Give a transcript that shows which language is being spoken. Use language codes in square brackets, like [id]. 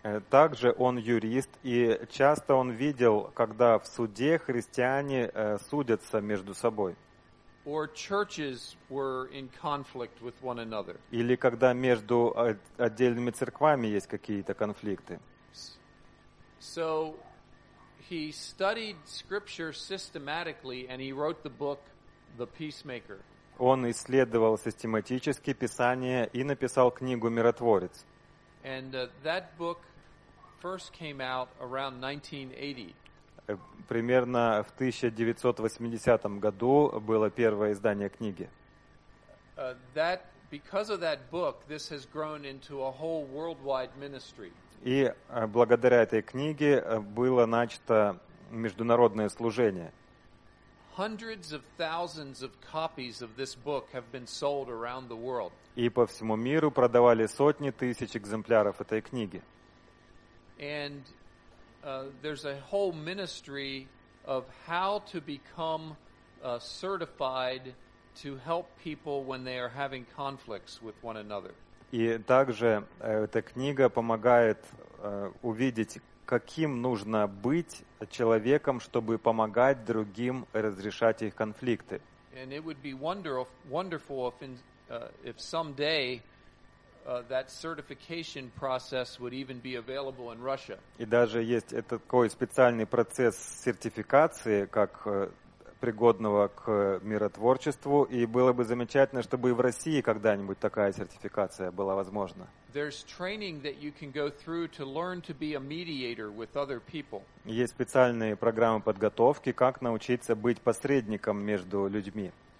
[ru] Также он юрист, и часто он видел, когда в суде христиане судятся между собой. [en] Or churches were in conflict with one another. [ru] Или когда между отдельными церквами есть какие-то конфликты. [en] So he studied scripture systematically and he wrote the book The Peacemaker. [ru] Он исследовал систематически Писание и написал книгу «Миротворец». [en] And that book first came out around 1980. [ru] Примерно в 1980 году было первое издание книги. [en] That because of that book, this has grown into a whole worldwide ministry. [ru] И благодаря этой книге было начато международное служение. [en] Hundreds of thousands of copies of this book have been sold around the world. [ru] И по всему миру продавали сотни тысяч экземпляров этой книги. [en] And there's a whole ministry of how to become certified to help people when they are having conflicts with one another. [ru] И также эта книга помогает увидеть, каким нужно быть человеком, чтобы помогать другим разрешать их конфликты. [en] And it would be wonderful if someday that certification process would even be available in Russia. [ru] И даже есть такой специальный процесс сертификации, как пригодного к миротворчеству, и было бы замечательно, чтобы и в России когда-нибудь такая сертификация была возможна. [en] There's training that you can go through to learn to be a mediator with other people. [ru] Есть специальные программы подготовки, как научиться быть посредником между людьми.